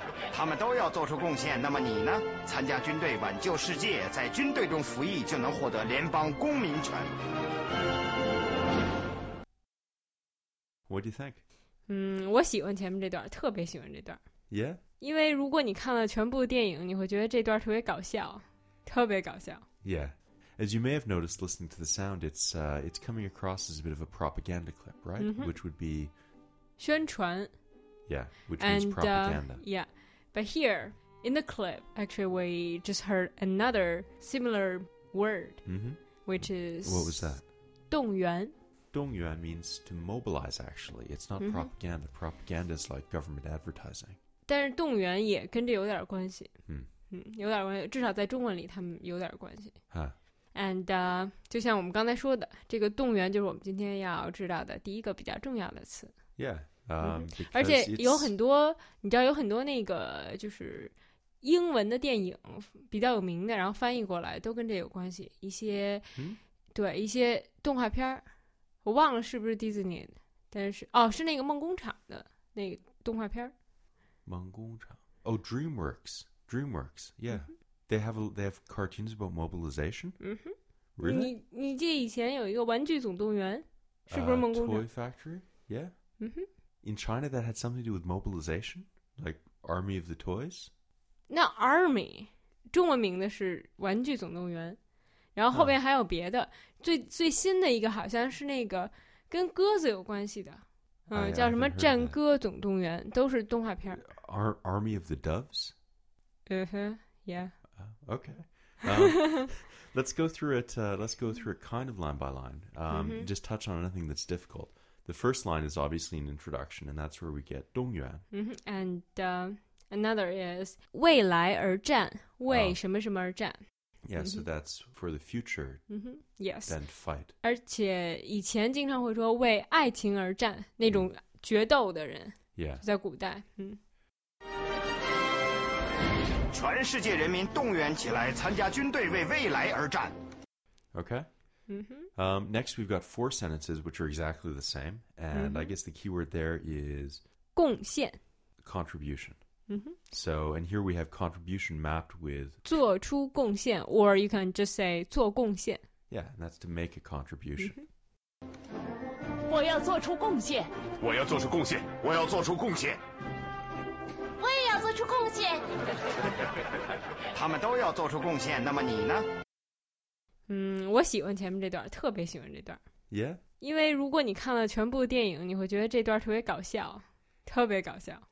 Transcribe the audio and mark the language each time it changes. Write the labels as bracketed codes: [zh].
[zh] 他们都要做出贡献，那么你呢？参加军队挽救世界，在军队中服役就能获得联邦公民权。 [en] What do you think? [zh] 我喜欢前面这段，特别喜欢这段。 [en] Yeah? [zh] 因为如果你看了全部电影，你会觉得这段特别搞笑，特别搞笑。 [en] Yeah, as you may have noticed listening to the sound, it's coming across as a bit of a propaganda clip, right?、 Mm-hmm. Which would be [zh] 宣传。 [en] Yeah, which means propaganda. Yeah, but here in the clip, actually, we just heard another similar word,、 mm-hmm. which is what was that? [zh] 动员。 [en] Dong Yuan means to mobilize. Actually, it's not、mm-hmm. propaganda. Propaganda is like government advertising. [zh] 但是动员也跟这有点关系、嗯嗯、有点关系，至少在中文里他们有点关系、啊、 And、就像我们刚才说的，这个动员就是我们今天要知道的第一个比较重要的词。 [en] Yeah、 [zh] 而且有很多，你知道有很多那个就是英文的电影比较有名的，然后翻译过来都跟这有关系，一些、嗯、对，一些动画片，我忘了是不是 Disney 的，但是哦，是那个梦工厂的那个动画片。 [en] 梦工厂 Oh, DreamWorks. Yeah.、Mm-hmm. They have cartoons about mobilization.、 Mm-hmm. Really? [zh] 你记以前有一个玩具总动员是不是梦工厂 [en] Toy Factory? Yeah.、 Mm-hmm. In China, that had something to do with mobilization? Like Army of the Toys? [zh] 那 Army, 中文名的是玩具总动员。然后后面还有别的、最新的一个好像是那个跟鸽子有关系的。叫什么战歌总动员都是动画片。 [en] Army of the Doves? Yeah. Okay. let's go through it kind of line by line.、 Mm-hmm. Just touch on anything that's difficult. The first line is obviously an introduction, and that's where we get 动员、 mm-hmm. [zh] And another is 未来而战为什么什么而战、 [en] Yeah,、mm-hmm. so that's for the future、 mm-hmm. Yes. and fight. [zh] 而且以前经常会说为爱情而战那种决斗的人、 [en] mm. Yeah. [zh] 在古代、全世界人民动员起来参加军队为未来而战。 [en] Okay.、 Mm-hmm. Next we've got four sentences which are exactly the same. And、mm-hmm. I guess the key word there is [zh] 贡献 [en] Contribution. Mm-hmm. So, and here we have contribution mapped with [zh] 做出贡献 [en] or you can just say [zh] 做贡献 [en] Yeah, and that's to make a contribution、 [zh] mm-hmm. 我要做出贡献我要做出贡献我要做出贡献我也要做出贡献他们都要做出贡献那么你呢我喜欢前面这段特别喜欢这段 [en] Yeah? [zh] 因为如果你看了全部电影你会觉得这段特别搞笑特别搞笑